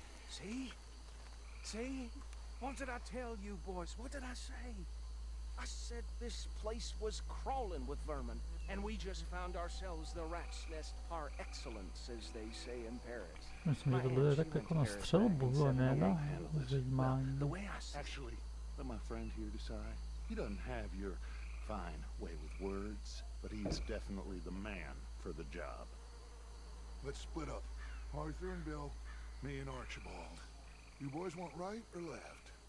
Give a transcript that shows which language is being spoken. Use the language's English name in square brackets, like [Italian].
[English] See? See? What did I tell you, boys? What did I say? I said this place was crawling with vermin, and we just found ourselves the rat's nest par excellence, as they say in Paris. [Czech] Myslím, že to bude tak jako na střelbu, ne na hledmání. [English] Actually, let my friend here decide. He doesn't have your fine way with words, but he's definitely the man for the job. Let's split up. Arthur and Bill, me and Archibald. You boys want right or left?